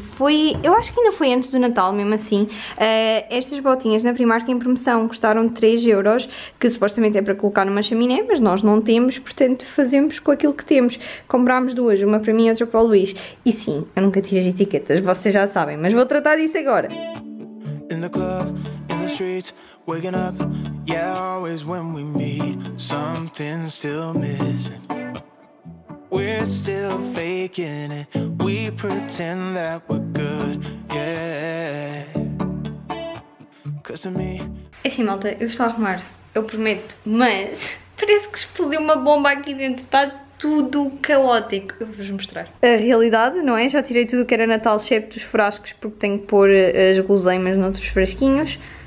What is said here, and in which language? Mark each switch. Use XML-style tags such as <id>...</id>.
<pt>Foi, eu acho que ainda foi antes do Natal, mesmo assim. Estas botinhas na Primark em promoção custaram 3€, que supostamente é para colocar numa chaminé, mas nós não temos, portanto fazemos com aquilo que temos. Comprámos duas, uma para mim e outra para o Luís. E sim, eu nunca tiro as etiquetas, vocês já sabem, mas vou tratar disso agora.</pt> <en>In the club, in the streets, waking up, yeah, always when we meet, something's still missing. We're still faking it, we pretend that we're good, yeah. Cause of me.</en> <pt>Assim, malta, eu estou a arrumar, eu prometo, mas parece que explodiu uma bomba aqui dentro, tá? Tudo caótico. Eu vou-vos mostrar. A realidade, não é? Já tirei tudo o que era Natal, excepto os frascos, porque tenho que pôr as guloseimas noutros frasquinhos.</pt>